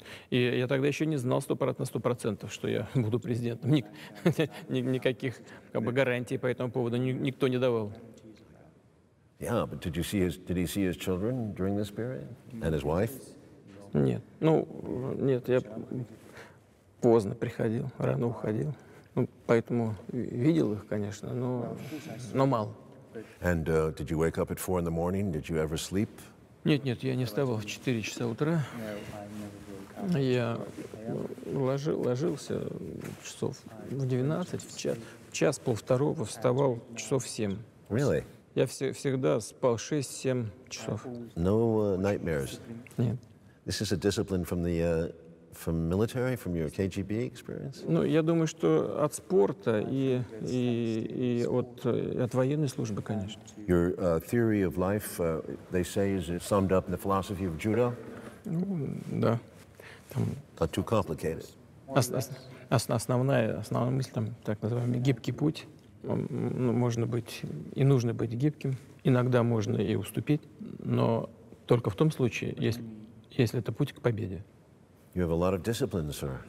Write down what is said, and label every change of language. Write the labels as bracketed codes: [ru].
[ru] И я тогда еще не знал 100% на 100%, что я буду президентом. Никаких как бы гарантий по этому поводу никто не давал. [en] Yeah, but did he see his children during this period and his wife? [ru] Нет, ну нет, я поздно приходил, рано уходил. Ну, поэтому видел их, конечно, но мало. [en] And did you wake up at 4 in the morning? Did you ever sleep? [ru] Нет, я не вставал в 4 часа утра. Я ложился часов в 12, в час полвторого вставал часов в 7. [en] Really? [ru] Я всегда спал 6-7 часов. [en] No nightmares? [ru] Нет. [en] This is a discipline from the... From military, from your KGB experience? [ru] Ну, я думаю, что от спорта и от военной службы, конечно. [en] Your theory of life, they say, is it summed up in the philosophy of judo? [ru] Ну, да. Там... [en] Not too complicated. [ru] Основная мысль, там, так называемый гибкий путь. Можно быть и нужно быть гибким. Иногда можно и уступить, но только в том случае, если это путь к победе. [en] You have a lot of discipline, sir.